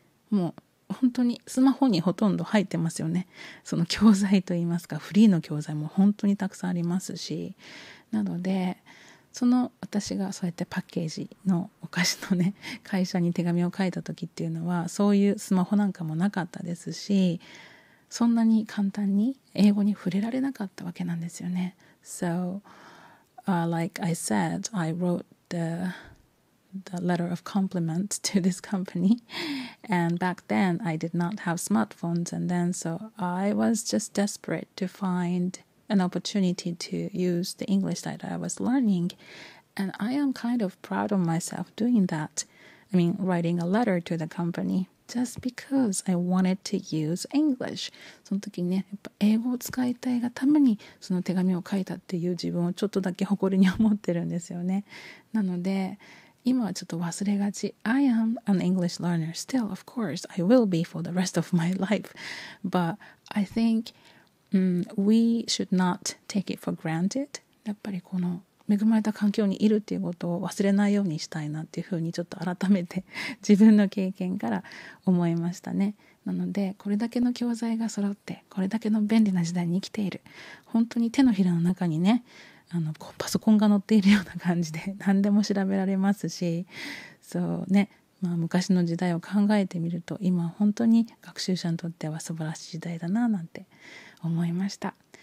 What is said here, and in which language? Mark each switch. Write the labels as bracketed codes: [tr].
[ja] もう本当にスマホにほとんど入ってますよね、その教材といいますか、フリーの教材も本当にたくさんありますし、なのでその私がそうやってパッケージのお菓子のね会社に手紙を書いた時っていうのはそういうスマホなんかもなかったですし、そんなに簡単に英語に触れられなかったわけなんですよね。 [en] So、like I said, I wrote the letter of compliment to this company and back then I did not have smartphones and then so I was just desperate to find an opportunity to use the English that I was learning and I am kind of proud of myself doing that. I mean writing a letter to the company just because I wanted to use English. [ja] その時にね、やっぱ英語を使いたいがためにその手紙を書いたっていう自分をちょっとだけ誇りに思ってるんですよね。なので今はちょっと忘れがち。 [en] I am an English learner still, of course. I will be for the rest of my life. But I think we should not take it for granted. [ja] やっぱりこの恵まれた環境にいるっていうことを忘れないようにしたいなっていうふうにちょっと改めて自分の経験から思いましたね。なのでこれだけの教材が揃って、これだけの便利な時代に生きている、本当に手のひらの中にねあのパソコンが載っているような感じで何でも調べられますし、そうね、まあ、昔の時代を考えてみると今本当に学習者にとっては素晴らしい時代だななんて思いました。